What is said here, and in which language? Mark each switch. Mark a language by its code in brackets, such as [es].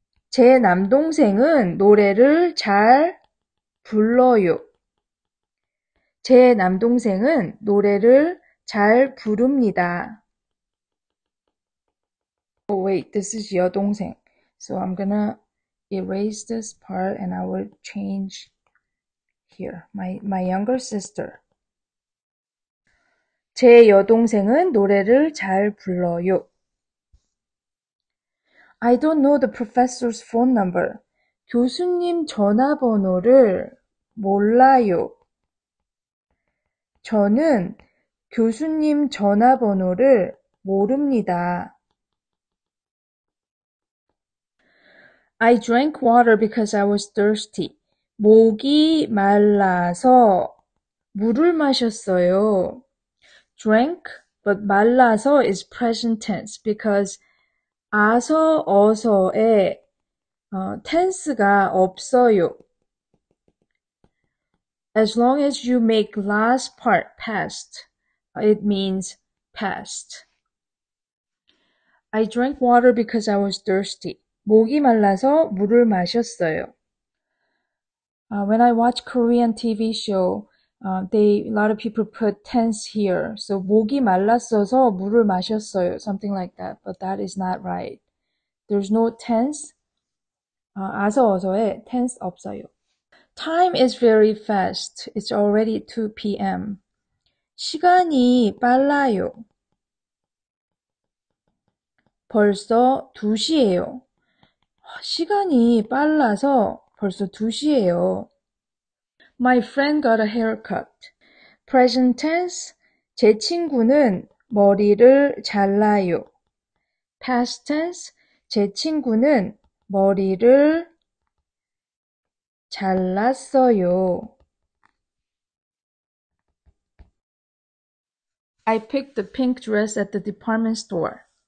[ko] 제 남동생은 노래를 잘 불러요. 제 남동생은 노래를 잘 부릅니다. [en] Oh wait, this is 여동생. So I'm gonna erase this part and I will change here. My younger sister. [ko] 제 여동생은 노래를 잘 불러요. [en] I don't know the professor's phone number. [ko] 교수님 전화번호를 몰라요. 저는 교수님 전화번호를 모릅니다. [en] I drank water because I was thirsty. [ko] 목이 말라서 물을 마셨어요. [en] Drank, but 말라서 is present tense because [ko] 아서 어서에 tense가 없어요. [en] As long as you make last part past, it means past. I drank water because I was thirsty. [ko] 목이 말라서 물을 마셨어요. [en] When I watch Korean TV show, a lot of people put tense here. So, [ko] 목이 말랐어서 물을 마셨어요. [en] Something like that. But that is not right. There's no tense. [ko] 아서 어서에 tense 없어요. [en] Time is very fast. It's already 2 p.m. [ko] 시간이 빨라요. 벌써 2시예요. 시간이 빨라서 벌써 2시예요. [en] My friend got a haircut. Present tense. [ko] 제 친구는 머리를 잘라요. [en] Past tense. [ko] 제 친구는 머리를 잘랐어요. [en] I picked the pink dress at the department store.